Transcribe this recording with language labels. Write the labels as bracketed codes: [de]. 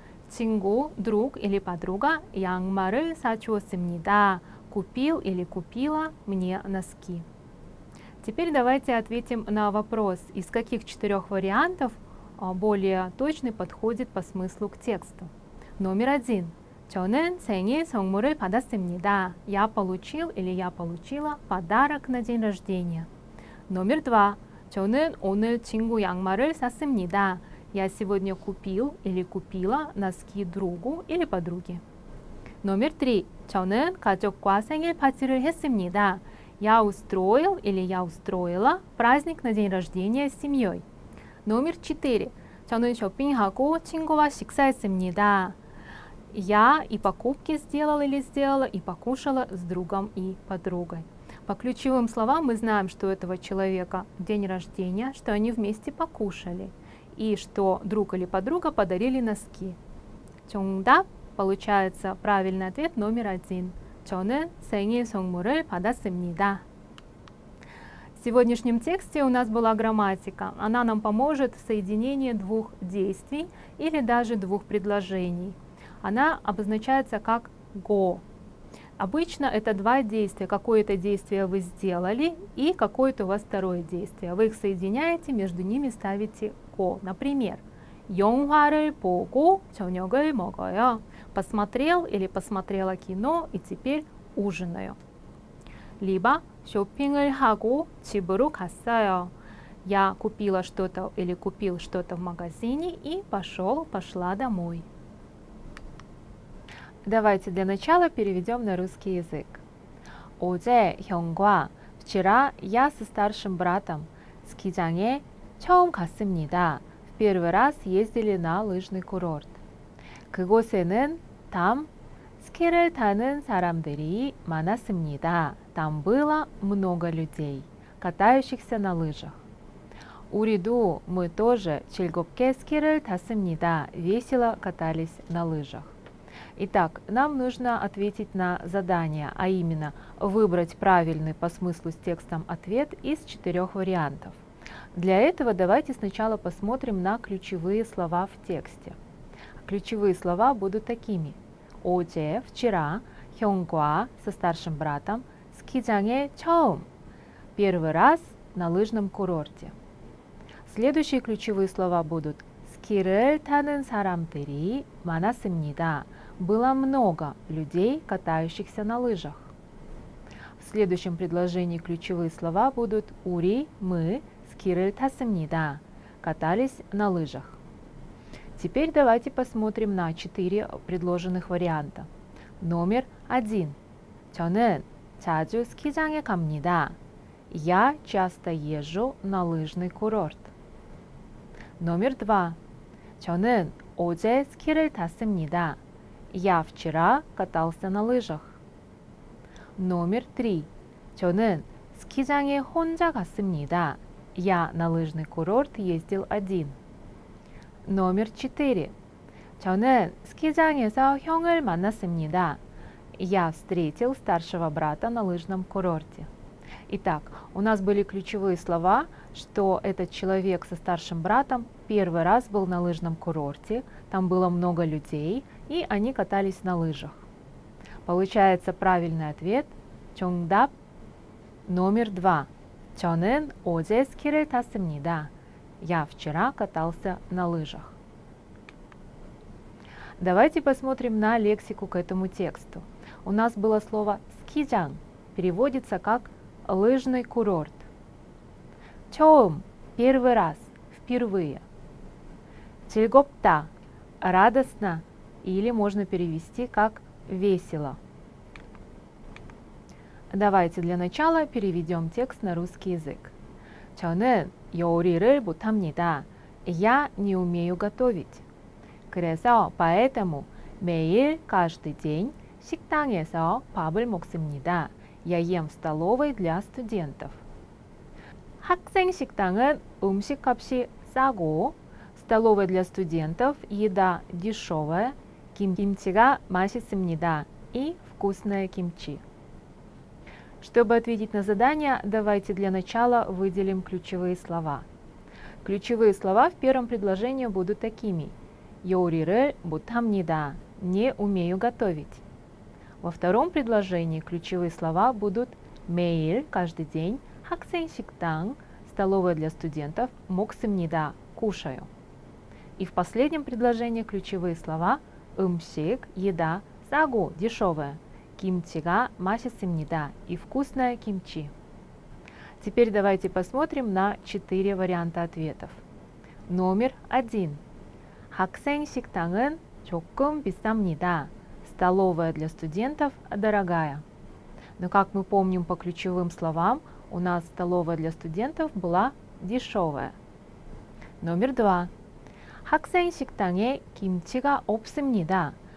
[ko] 친구, [ru] друг или подруга [ko] 양말을 사줬습니다. [ru] Купил или купила мне носки. Теперь давайте ответим на вопрос, из каких четырех вариантов более точный подходит по смыслу к тексту. Номер один. [ko] 저는 생일 선물을 받았습니다. [ru] Я получил или я получила подарок на день рождения. Номер два. [ko] 저는 오늘 친구 양말을 샀습니다. [ru] Я сегодня купил или купила носки другу или подруге. Номер три. [ko] 저는 가족과 생일 파티를 했습니다. [ru] Я устроил или я устроила праздник на день рождения с семьей. Номер 4. [ko] 저는 쇼핑하고 친구와 식사했습니다. [ru] Я и покупки сделала или сделала, и покушала с другом и подругой. По ключевым словам мы знаем, что у этого человека день рождения, что они вместе покушали, и что друг или подруга подарили носки. [ko] 정답. [ru] Получается правильный ответ номер 1. [ko] 저는 생일 선물을 받았습니다. [ru] В сегодняшнем тексте у нас была грамматика. Она нам поможет в соединении двух действий или даже двух предложений. Она обозначается как go. Обычно это два действия. Какое-то действие вы сделали и какое-то у вас второе действие. Вы их соединяете, между ними ставите go. Например, [ko] 영화를 보고 저녁을 먹어요. [ru] Посмотрел или посмотрела кино и теперь ужинаю. Либо [ko] 쇼핑을 하고 집으로 갔어요. [ru] Я купила что-то или купил что-то в магазине и пошла домой. Давайте для начала переведем на русский язык. [ko] 어제 형과 [ru] вчера я со старшим братом [ko] 스키장에 처음 갔습니다. [ru] В первый раз ездили на лыжный курорт. [ko] 그곳에는 [ru] Там [ko] ски를 타는 사람들이 많았습니다. [ru] Там было много людей, катающихся на лыжах. [ko] 우리도 [ru] мы тоже [ko] 즐겁게 ски를 탔습니다. [ru] Весело катались на лыжах. Итак, нам нужно ответить на задание, а именно выбрать правильный по смыслу с текстом ответ из четырех вариантов. Для этого давайте сначала посмотрим на ключевые слова в тексте. Ключевые слова будут такими. 어제, вчера, [ko] 형과 [ru] со старшим братом [ko] 스키장에 처음. [ru] Первый раз на лыжном курорте. Следующие ключевые слова будут [ko] 스키를 타는 사람들이 많았습니다. [ru] Было много людей, катающихся на лыжах. В следующем предложении ключевые слова будут 우리, мы, [ko] 스키를 탔습니다. [ru] Катались на лыжах. Теперь давайте посмотрим на 4 предложенных варианта. Номер 1. [ko] 저는 자주 스키장에 갑니다. [ru] Я часто езжу на лыжный курорт. Номер 2. [ko] 저는 어제 스키를 탔습니다. [ru] Я вчера катался на лыжах. Номер 3. [ko] 저는 스키장에 혼자 갔습니다. [ru] Я на лыжный курорт ездил один. Номер 4. [ko] 저는 스키장에서 형을 만났습니다. [ru] Я встретил старшего брата на лыжном курорте. Итак, у нас были ключевые слова, что этот человек со старшим братом первый раз был на лыжном курорте, там было много людей, и они катались на лыжах. Получается правильный ответ. [ko] 정답 [ru] номер 2. [ko] 저는 어제 스키를 탔습니다. [ru] Я вчера катался на лыжах. Давайте посмотрим на лексику к этому тексту. У нас было слово «скиджан», переводится как «лыжный курорт». «Чоум» – первый раз, впервые. «Чельгопта» – радостно, или можно перевести как «весело». Давайте для начала переведем текст на русский язык. [ko] 저는 요리를 못합니다. [ru] Я не умею готовить. [ko] 그래서 [ru] поэтому [ko] 매일 [ru] каждый день [ko] 식당에서 밥을 먹습니다. [ru] Я ем в столовой для студентов. [ko] 학생 식당은 음식값이 싸고, [ru] столовая для студентов еда дешевая, [ko] 김치가 맛있습니다. [ru] И вкусное кимчи. Чтобы ответить на задание, давайте для начала выделим ключевые слова. Ключевые слова в первом предложении будут такими. [ko] 요리를 못합니다. [ru] Не умею готовить. Во втором предложении ключевые слова будут 매일, каждый день, [ko] 학생 식당, [ru] столовая для студентов, 먹습니다, кушаю. И в последнем предложении ключевые слова 음식, еда, 싸고, дешевая, [ko] 김치가 맛있습니다, [ru] и вкусное кимчи. Теперь давайте посмотрим на 4 варианта ответов. Номер 1. [ko] 학생 식당은 조금 비쌉니다. [ru] Столовая для студентов дорогая. Но как мы помним по ключевым словам, у нас столовая для студентов была дешевая. Номер 2. [ko] 학생 식당에 김치가 없습니다.